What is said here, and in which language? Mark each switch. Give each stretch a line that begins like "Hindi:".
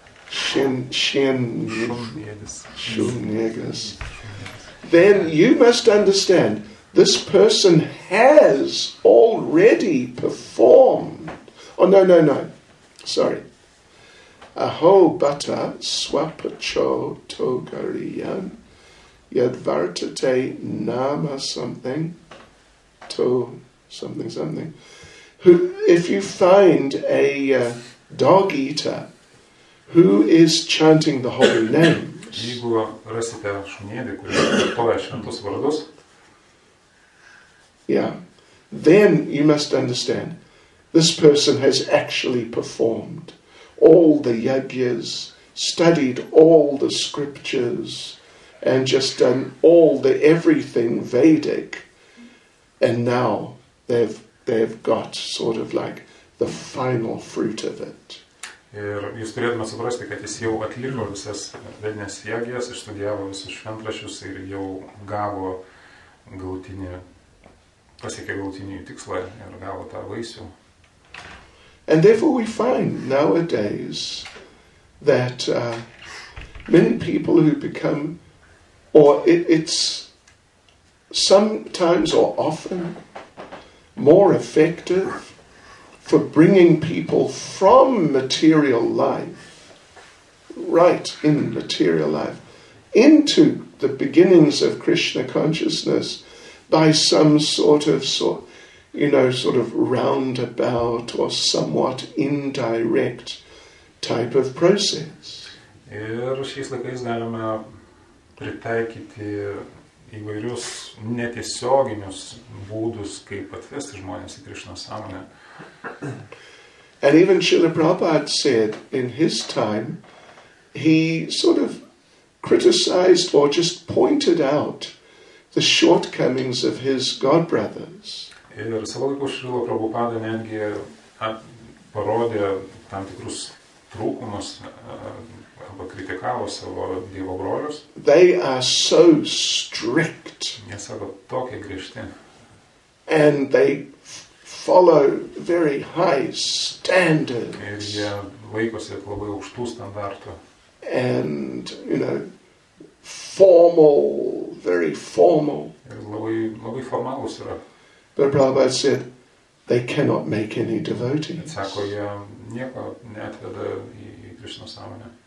Lithuanian: šunėlis.
English: Then you must understand, this person has already performed. Oh, no. Sorry.
Sanskrit: Aho bata swapacho togariyan yadvartate nama
English: something to something something. Who, if you find a dog eater who is chanting the holy name,
Lithuanian: jeigu rasite šunėlį, kuris kartoja šventus vardus.
English: Yeah. Then you must understand, this person has actually performed all the yajnas, studied all the scriptures, and just done all the everything Vedic, and now they've got sort of like the final fruit of it.
Lithuanian: Ir jūs turėtume suprasti, kad jis jau atliko visas vedines jagijas, išstudijavo visus šventrašius ir jau gavo galutinį, pasiekė galutinį tikslą ir gavo tą vaisių.
English: And therefore we find nowadays that many people who become, or it's sometimes or often more effective for bringing people from material life, right in material life, into the beginnings of Krishna consciousness by some sort of, sort of roundabout or somewhat indirect type of process.
Lithuanian: Ir šiais laikais galime pritaikyti įvairius netiesioginius būdus, kaip atvesti žmonės į Krishna sąmonę.
English: And even Srila Prabhupada said in his time, he sort of criticized or just pointed out the shortcomings of his godbrothers.
Lithuanian: Ir savo laiku Srila Prabhupada netgi parodė tam tikrus trūkumus arba kritikavo savo dievo brolius.
English: They are so strict.
Lithuanian: Jie savo tokie griežti.
English: And they follow very high standards.
Lithuanian: Ir jie laikosi labai aukštų standartų.
English: And, you know, formal, very formal.
Lithuanian: Ir labai formalus yra.
English: But Prabhupada said, they cannot make any devotees.
Lithuanian: Ir sako, jie nieko neatveda į Krishna sąmonę.